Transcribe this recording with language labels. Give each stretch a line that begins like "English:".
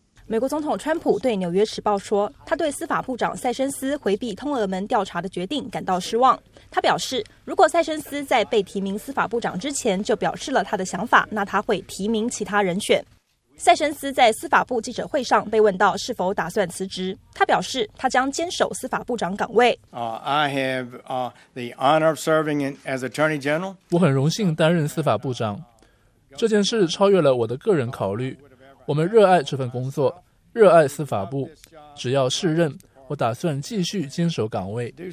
Chinese: 美国总统川普对《纽约时报》说，他对司法部长塞申斯回避通俄门调查的决定感到失望。他表示，如果塞申斯在被提名司法部长之前就表示了他的想法，那他会提名其他人选。塞申斯在司法部记者会上被问到是否打算辞职，他表示他将坚守司法部长岗位。
English: I have the honor of serving as Attorney General.
Chinese: 我很荣幸担任司法部长，这件事超越了我的个人考虑。我们热爱这份工作，热爱司法部，只要适任，我打算继续坚守岗位。